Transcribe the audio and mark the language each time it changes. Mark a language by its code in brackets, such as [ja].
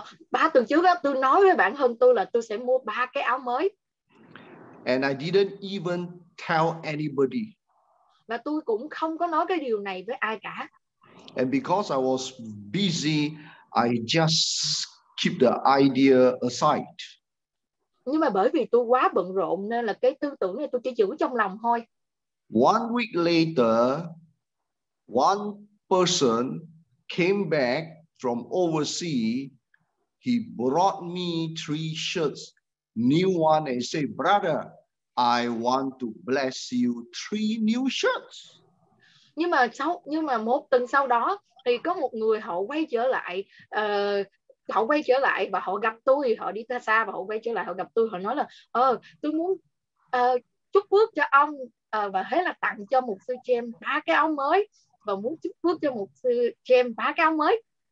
[vi] Ba tuần trước đó, tôi nói với bản thân tôi là tôi sẽ mua 3 cái áo mới. [en] And I didn't even tell anybody. [vi] Và tôi cũng không có nói cái điều này với ai cả. [en] And because I was busy, I just keep the idea aside. [vi] Nhưng mà bởi vì tôi quá bận rộn nên là cái tư tưởng này tôi chỉ giữ trong lòng thôi. [en] 1 week later, one person came back from overseas. He brought me 3 shirts, new one, and said, "Brother, I want to bless you 3 new shirts." [vi] Nhưng mà một tuần sau đó thì có một người họ quay trở lại. Họ quay trở lại và họ gặp tôi, họ đi xa và họ quay trở lại, họ gặp tôi, họ nói là tôi muốn chúc phước cho ông và thế là tặng cho một sư chị em 3 cái áo mới và muốn chúc phước cho một sư chị em 3 cái áo mới.